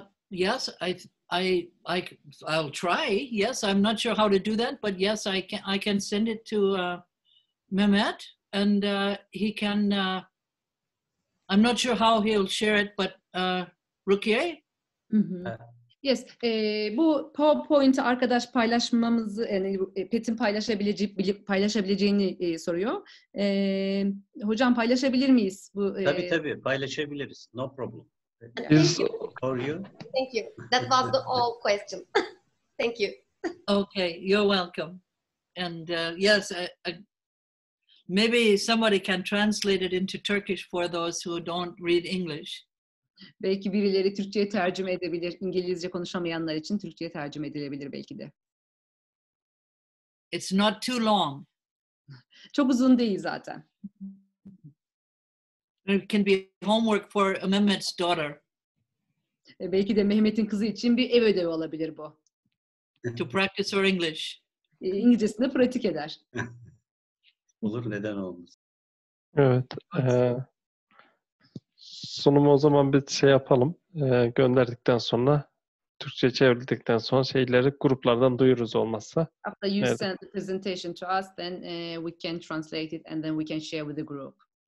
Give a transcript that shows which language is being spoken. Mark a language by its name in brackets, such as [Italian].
[English] Yes, I'll try. Yes, I'm not sure how to do that, but yes, I can send it to Mehmet and he can I'm not sure how he'll share it, but Rukiye? [Turkish] Yes, bu PowerPoint'i arkadaş paylaşmamızı, yani Pet'in paylaşabileceğini soruyor. Hocam paylaşabilir miyiz? Bu, tabii paylaşabiliriz. [English] No problem. Thank you. That was the all question. Thank you. Okay, you're welcome. And yes, maybe somebody can translate it into Turkish for those who don't read English. [Turkish] Belki birileri Türkçe'ye tercüme edebilir. İngilizce konuşamayanlar için Türkçe'ye tercüme edilebilir belki de. [English] It's not too long. [Turkish] Çok uzun değil zaten. [English] It can be homework for Mehmet's daughter. [Turkish] Belki de Mehmet'in kızı için bir ev ödevi olabilir bu. [English] To practice her English. [Turkish] İngilizcesini pratik eder. Olur, neden olmaz. Evet. Sunumu o zaman bir şey yapalım. Gönderdikten sonra, Türkçe çevirdikten sonra şeyleri gruplardan duyururuz olmazsa. [English] After you evet. send the presentation to us, then we can translate it and then we can share with the group.